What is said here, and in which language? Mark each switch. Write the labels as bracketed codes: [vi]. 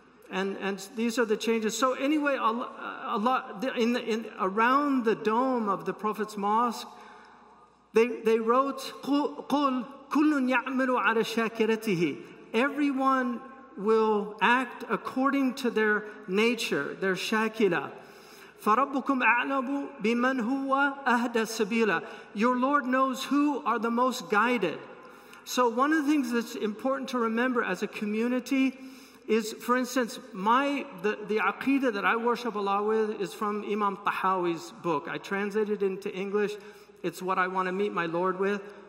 [en] And these are the changes. So anyway, a lot around the dome of the Prophet's mosque, they wrote, [ar] قُلْ كُلٌّ يَعْمِلُ عَلَى شَاكِرَتِهِ. [en] Everyone will act according to their nature, their shakila. [ar] فَرَبُّكُمْ أَعْلَمُ بِمَنْ هُوَ أَهْدَى سَبِيلًا. [en] Your Lord knows who are the most guided. So one of the things that's important to remember as a community is, for instance, the aqidah that I worship Allah with is from Imam Tahawi's book. I translated it into English. It's what I want to meet my Lord with.